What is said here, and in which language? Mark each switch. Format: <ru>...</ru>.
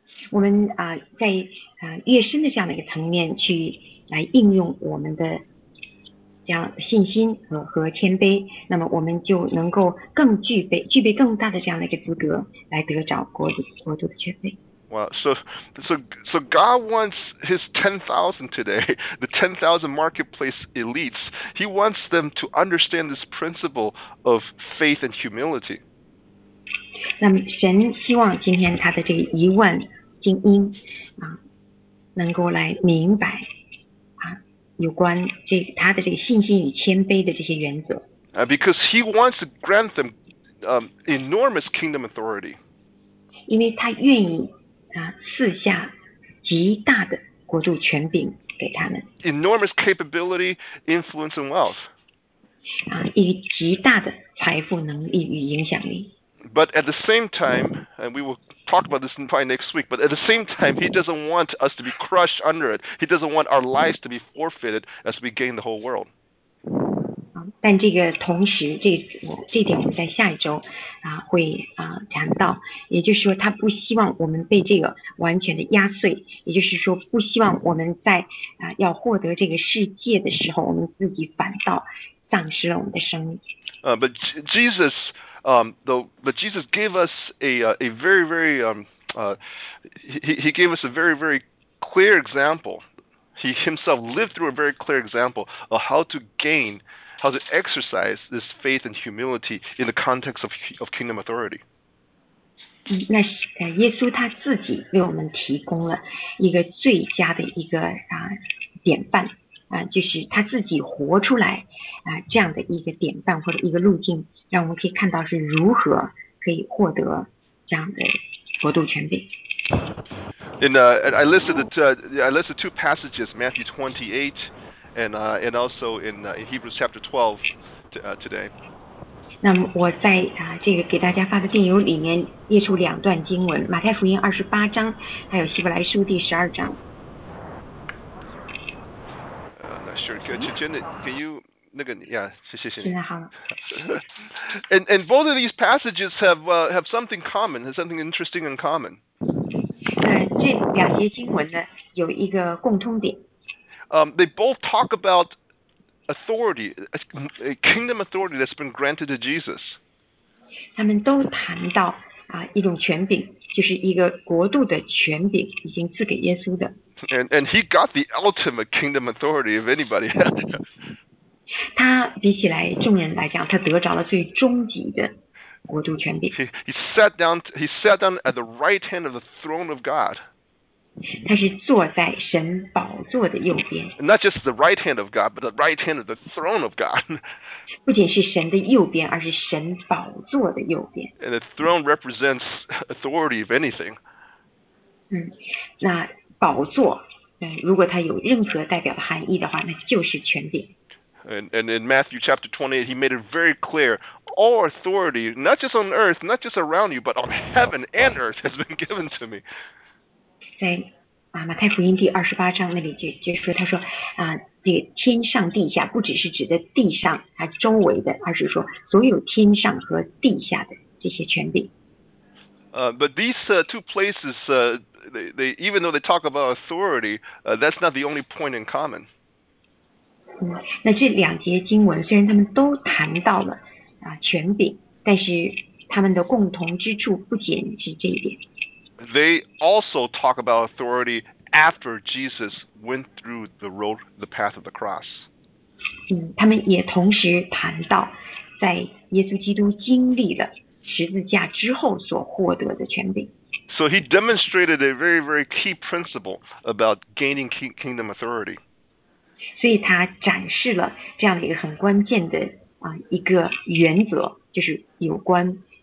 <zh>我们在越深的这样的一个层面去来应用我们的这样信心和谦卑，那么我们就能够更具备更大的这样的一个资格来得着国度的权柄。</zh> <en>Well, so God wants his 10,000 today, the 10,000 marketplace elites. He wants them to understand this principle of faith and humility.</en> <zh>那么神希望今天他的这个一万精英能够来明白有关他的这个信心与谦卑的这些原则。</zh> <en>Because he wants to grant them enormous kingdom authority.</en> <zh>因为他愿意赐下极大的国度权柄给他们。</zh> <en>Enormous capability, influence, and wealth.</en> <zh>以极大的财富能力与影响力。</zh> <en>But at the same time, and we will talk about this probably next week, but at the same time, he doesn't want us to be crushed under it. He doesn't want our lives to be forfeited as we gain the whole world.</en> <zh>但这个同时，这点我们在下一周会谈到，也就是说，他不希望我们被这个完全的压碎，也就是说，不希望我们在要获得这个世界的时候，我们自己反倒丧失了我们的生命。</zh> <en>But Jesus, but Jesus gave us a very very he gave us a very very clear example. He himself lived through a very clear example of how to exercise this faith and humility in the context of kingdom authority.</en> <zh>那耶稣他自己为我们提供了一个最佳的一个典范就是他自己活出来这样的一个典范或者一个路径，让我们可以看到是如何可以获得这样的国度权柄。</zh> <en>I listed two passages, Matthew 28. And also in Hebrews chapter 12 today.</en> <zh>那么我在这个给大家发的电邮里面列出两段经文，马太福音二十八章，还有希伯来书第十二章。</zh> <en>Not sure. Can you 那个 yeah</en> <zh>谢谢现在好了。</zh> <en>and both of these passages have something common, has something interesting in common.</en> <zh>这两节经文呢有一个共通点。</zh> <en>They both talk about authority, a kingdom authority that's been granted to Jesus.</en> <zh>他们都谈到一种权柄，就是一个国度的权柄已经赐给耶稣的。</zh> <en>And he got the ultimate kingdom authority of anybody.</en> <zh>他比起来众人来讲，他得着了最终极的国度权柄。</zh> <en>He sat down at the right hand of the throne of God.</en> <zh>他是坐在神宝座的右边。</zh> <en>Not just the right hand of God, but the right hand of the throne of God.</en> <zh>不仅是神的右边，而是神宝座的右边。</zh> <en>And the throne represents authority of anything.</en> <zh>那宝座，如果它有任何代表的含义的话，那就是权柄。</zh> <en>And in Matthew chapter 28, he made it very clear, all authority, not just on earth, not just around you, but on heaven and earth has been given to me.</en> <zh>在马太福音第二十八章那里就说，他说这个天上地下不只是指的地上还周围的，而是说所有天上和地下的这些权柄。</zh> <en>But these two places, they even though they talk about authority, that's not the only point in common.</en> <zh>那这两节经文虽然他们都谈到了权柄，但是他们的共同之处不仅是这一点。</zh> <en>They also talk about authority after Jesus went through the road, the path of the cross.</en> <zh>他们也同时谈到在耶稣基督经历了十字架之后所获得的权柄。</zh> <en>So he demonstrated a very, very key principle about gaining kingdom authority.</en> <zh>所以他展示了这样的一个很关键的一个原则，就是有关</zh>